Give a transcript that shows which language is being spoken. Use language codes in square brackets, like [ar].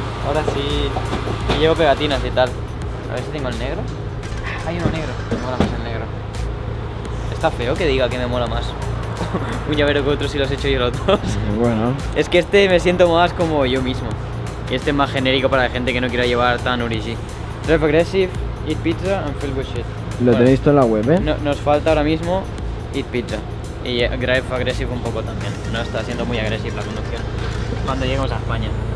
[es] Ahora sí, y llevo pegatinas y tal. A ver si tengo el negro. Hay uno negro. Me mola más el negro. Está feo que diga que me mola más un llavero que otro si los he hecho yo los dos. Bueno. Es que este me siento más como yo mismo. Y este es más genérico para la gente que no quiera llevar tan origi. [en] Drive aggressive, eat pizza and feel good shit. [es] Lo bueno, tenéis todo en la web, ¿eh? No, nos falta ahora mismo eat pizza. Y drive aggressive un poco también. No está siendo muy agresiva la conducción. Cuando lleguemos a España.